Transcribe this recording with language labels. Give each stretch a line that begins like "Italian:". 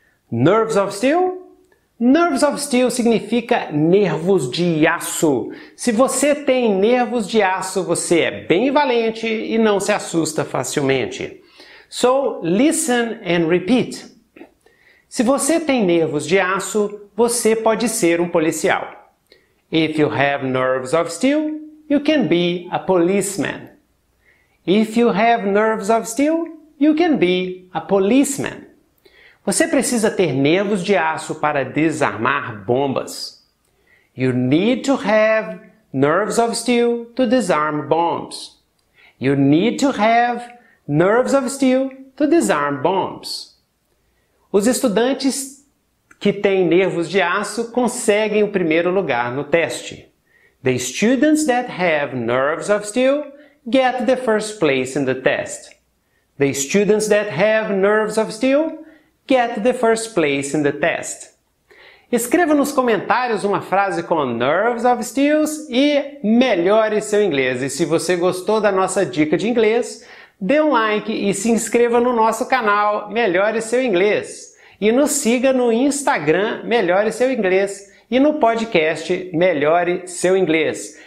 Portuguese: Nerves of Steel? Nerves of Steel significa nervos de aço. Se você tem nervos de aço, você é bem valente e não se assusta facilmente.
English: So, listen and repeat.
Portuguese: Se você tem nervos de aço, você pode ser um policial.
English: If you have nerves of steel, you can be a policeman. If you have nerves of steel, you can be a policeman.
Portuguese: Você precisa ter nervos de aço para desarmar bombas.
English: You need to have nerves of steel to disarm bombs. You need to have nerves of steel to disarm bombs.
Portuguese: Os estudantes que têm nervos de aço conseguem o primeiro lugar no teste.
English: The students that have nerves of steel get the first place in the test. The students that have nerves of steel get the first place in the test.
Portuguese: Escreva nos comentários uma frase com Nerves of Steel e melhore seu inglês. E se você gostou da nossa dica de inglês, dê um like e se inscreva no nosso canal Melhore Seu Inglês. E nos siga no Instagram Melhore Seu Inglês e no podcast Melhore Seu Inglês.